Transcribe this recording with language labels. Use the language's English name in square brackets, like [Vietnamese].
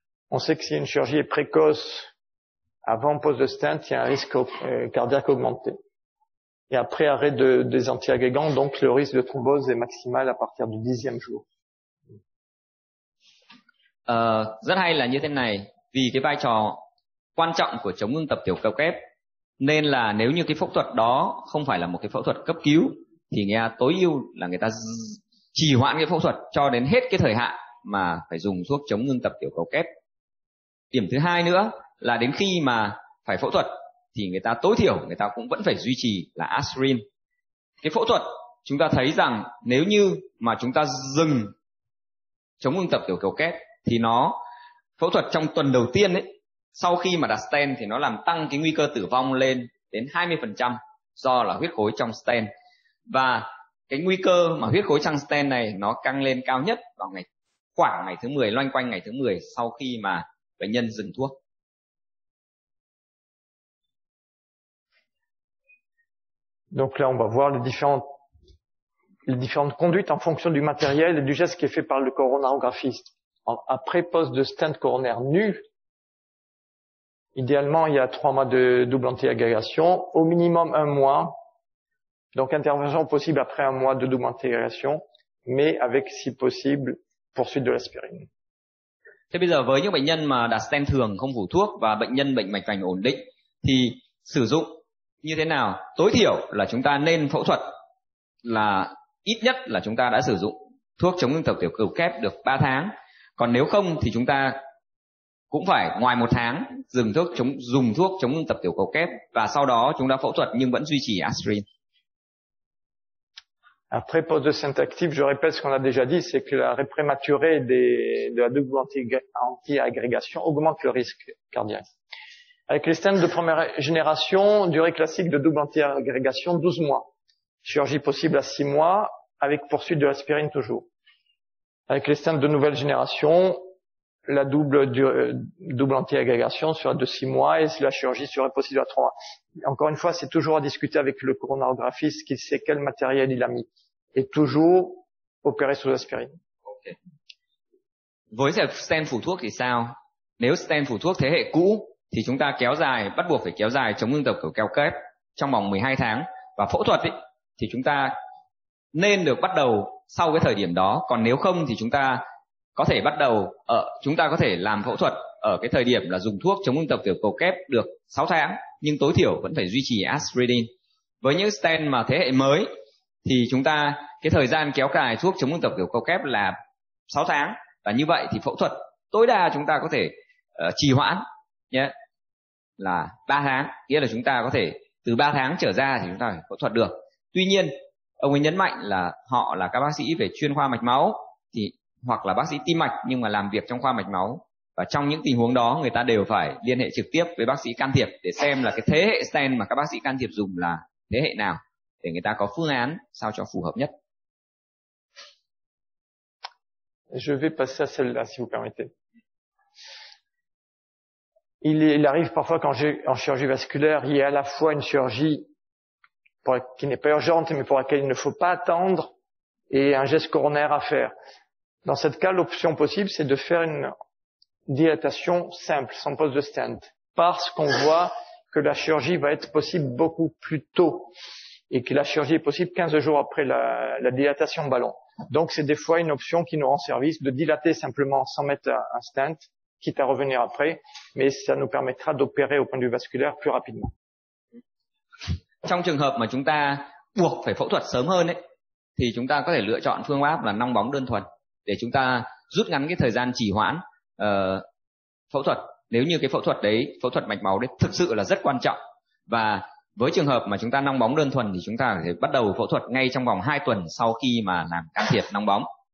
[French] On sait que si une chirurgie est précoce avant pose de stent, il y a un risque cardiaque augmenté. Et après arrêt des antiagrégants, donc le risque de thrombose est maximal à partir du 10e jour. [Vietnamese] Rất hay là như thế này, vì cái vai trò quan trọng của chống ngưng tập tiểu cầu kép, nên là nếu như cái phẫu thuật đó không phải là một cái phẫu thuật cấp cứu thì người ta tối ưu là người ta trì hoãn cái phẫu thuật cho đến hết cái thời hạn mà phải dùng thuốc chống ngưng tập tiểu cầu kép. Điểm thứ hai nữa là đến khi mà phải phẫu thuật thì người ta tối thiểu người ta cũng vẫn phải duy trì là aspirin. Cái phẫu thuật chúng ta thấy rằng nếu như mà chúng ta dừng chống ngưng tập tiểu cầu kép thì nó phẫu thuật trong tuần đầu tiên ấy, sau khi mà đặt stent thì nó làm tăng cái nguy cơ tử vong lên đến 20% do là huyết khối trong stent. Và cái nguy cơ mà huyết khối trong stent này nó căng lên cao nhất vào khoảng ngày thứ 10, loanh quanh ngày thứ 10 sau khi mà bệnh nhân dừng thuốc. [French] Donc là on va voir les différentes conduites en fonction du matériel et du geste qui est fait par le coronarographiste. Après pose de stent coronaire nu, idéalement, il y a 3 mois de double antiagrégation, au minimum 1 mois. Donc, intervention possible après 1 mois de double antiagrégation, mais avec, si possible, poursuite de l'aspirine. [Vietnamese] Thế bây giờ với những bệnh nhân mà đặt stent thường không phủ thuốc và bệnh nhân bệnh mạch vành ổn định thì sử dụng như thế nào? Tối thiểu là chúng ta nên phẫu thuật là ít nhất là chúng ta đã sử dụng thuốc chống ngưng tập tiểu cầu kép được 3 tháng. Còn nếu không thì chúng ta cũng phải ngoài 1 tháng dùng thuốc chống tập tiểu cầu kép và sau đó chúng ta phẫu thuật nhưng vẫn duy trì aspirin. [French] Après pose de stent active, je répète ce qu'on a déjà dit, c'est que l'arrêt prématuré de la double anti-agrégation augmente le risque cardiaque. Avec les stents de première génération, durée classique de double anti-agrégation 12 mois. Chirurgie possible à 6 mois avec poursuite de l'aspirine toujours. Avec les stents de nouvelle génération, la double anti-agrégation sera de 6 mois et la chirurgie serait possible à 3 mois. Encore une fois, c'est toujours à discuter avec le coronarographiste qui sait quel matériel il a mis. Et toujours opérer sous aspirine. Okay. [Vietnamese] Với stent phủ thuốc thì sao? Nếu stent phủ thuốc thế hệ cũ, thì chúng ta kéo dài, bắt buộc phải kéo dài chống ngưng tập tiểu cầu kép trong vòng 12 tháng. Và phẫu thuật ý, thì chúng ta nên được bắt đầu sau cái thời điểm đó. Còn nếu không thì chúng ta có thể làm phẫu thuật ở cái thời điểm là dùng thuốc chống ung thư tiểu cầu kép được 6 tháng nhưng tối thiểu vẫn phải duy trì aspirin. Với những stent mà thế hệ mới thì chúng ta cái thời gian kéo cài thuốc chống ung thư tiểu cầu kép là 6 tháng và như vậy thì phẫu thuật tối đa chúng ta có thể trì hoãn nhé là 3 tháng, nghĩa là chúng ta có thể từ 3 tháng trở ra thì chúng ta phải phẫu thuật được. Tuy nhiên, ông ấy nhấn mạnh là họ là các bác sĩ về chuyên khoa mạch máu thì hoặc là bác sĩ tim mạch nhưng mà làm việc trong khoa mạch máu và trong những tình huống đó người ta đều phải liên hệ trực tiếp với bác sĩ can thiệp để xem là cái thế hệ stent mà các bác sĩ can thiệp dùng là thế hệ nào để người ta có phương án sao cho phù hợp nhất. [French] Je vais passer à celle-là si vous permettez. Il arrive parfois quand j'ai en chirurgie vasculaire, il y a à la fois une chirurgie pour, qui n'est pas urgente mais pour laquelle il ne faut pas attendre et un geste coronaire à faire. Dans cette cas, l'option possible, c'est de faire une dilatation simple, sans pose de stent, parce qu'on voit que la chirurgie va être possible beaucoup plus tôt et que la chirurgie est possible 15 jours après la dilatation ballon. Donc, c'est des fois une option qui nous rend service de dilater simplement sans mettre un stent, quitte à revenir après, mais ça nous permettra d'opérer au point de vue vasculaire plus rapidement. [Vietnamese] Trong trường hợp mà chúng ta buộc phải phẫu thuật sớm hơn ấy, thì chúng ta có thể lựa chọn phương pháp là nong bóng đơn thuần để chúng ta rút ngắn cái thời gian trì hoãn phẫu thuật. Nếu như cái phẫu thuật đấy, phẫu thuật mạch máu đấy thực sự là rất quan trọng. Và với trường hợp mà chúng ta nong bóng đơn thuần thì chúng ta có thể bắt đầu phẫu thuật ngay trong vòng 2 tuần sau khi mà làm can thiệp nong bóng.